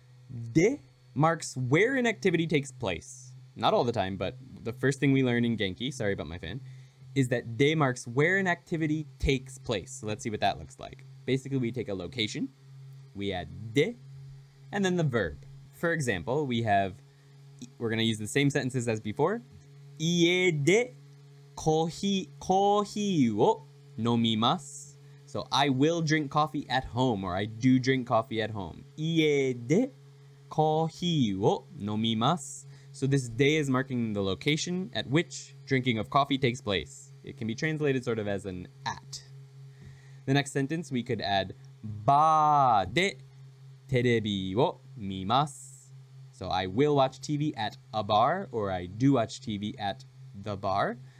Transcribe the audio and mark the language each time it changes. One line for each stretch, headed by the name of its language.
English: で marks where an activity takes place. Not all the time, but the first thing we learn in Genki, sorry about my fan, is that de marks where an activity takes place. So let's see what that looks like. Basically, we take a location, we add de, and then the verb. For example, we're going to use the same sentences as before.
Japanese: 家でコーヒーを飲みます.
English: So I will drink coffee at home, or I do drink coffee at home.
Japanese: 家でコーヒーを飲みます.
English: So this day is marking the location at which drinking of coffee takes place. It can be translated sort of as an at. The next sentence we could add,
Japanese: ba de terebi wo mimasu.
English: So I will watch TV at a bar, or I do watch TV at the bar.